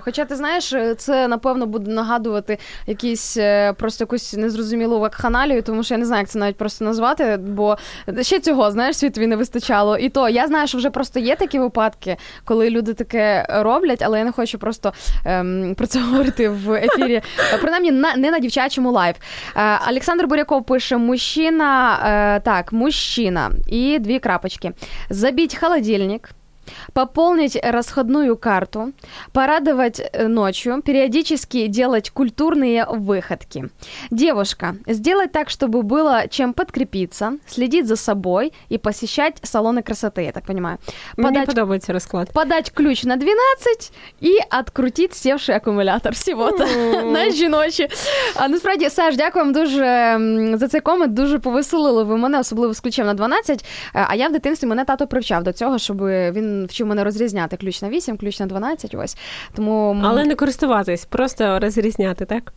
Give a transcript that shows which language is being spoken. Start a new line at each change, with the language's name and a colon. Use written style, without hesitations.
Ukrainian: Хоча, ти знаєш, це, напевно, буде нагадувати якісь просто якусь незрозумілу вакханалію, тому що я не знаю, як це навіть просто назвати, бо ще цього, знаєш, світові не вистачало. І то, я знаю, що вже просто є такі випадки, коли люди таке роблять, але я не хочу просто про це говорити в ефірі. Принаймні, не на дівчачому лайв. Олександр Буряков пише, мужчина, так, мужчина, і дві крапочки.
Russian: Забіть холодильник, пополнить розходную карту, порадовать ночью, періодически делать культурные выходки. Девушка, сделать так, чтобы было чем подкрепиться, следить за собой и посещать салоны красоты, я так понимаю. Подать, мне подобается расклад. Подать ключ на 12 и открутить севший аккумулятор всего-то.
Ukrainian: На жіночі. А насправді, Саш, дякую вам дуже за цей комент, дуже повеселило ви мене, особливо з ключем на 12, а я в дитинстві мене тато привчав до цього, щоб він вчив мене розрізняти ключ на 8, ключ на 12, ось. Тому... Але не користуватись, просто розрізняти, так?